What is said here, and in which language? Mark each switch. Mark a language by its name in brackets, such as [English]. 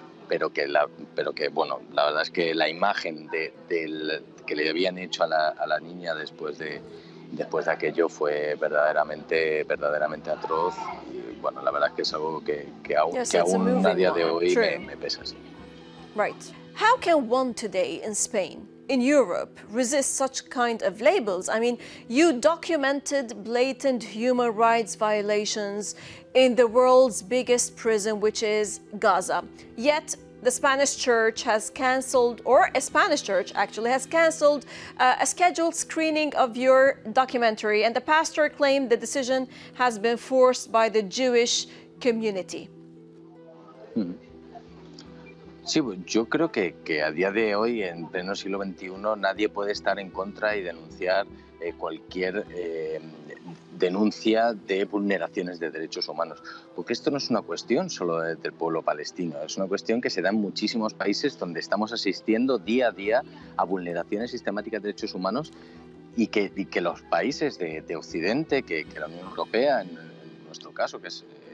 [Spanish] pero que bueno, la verdad es que la imagen que le habían hecho a la niña después de aquello fue verdaderamente, verdaderamente atroz. Y bueno, la verdad es que es algo que aún a día de hoy me pesa así. [English] Right. How can one today in Spain, in Europe, resist such kind of labels? I mean, you documented blatant human rights violations in the world's biggest prison, which is Gaza. Yet the Spanish church has canceled, or a Spanish church actually has canceled, a scheduled screening of your documentary, and the pastor claimed the decision has been forced by the Jewish community. [Spanish] Sí, yo creo que a día de hoy, en pleno siglo XXI, nadie puede estar en contra y denunciar cualquier denuncia de vulneraciones de derechos humanos. Porque esto no es una cuestión solo del pueblo palestino, es una cuestión que se da en muchísimos países donde estamos asistiendo día a día a vulneraciones sistemáticas de derechos humanos, y que los países de Occidente, que la Unión Europea, en nuestro caso, que es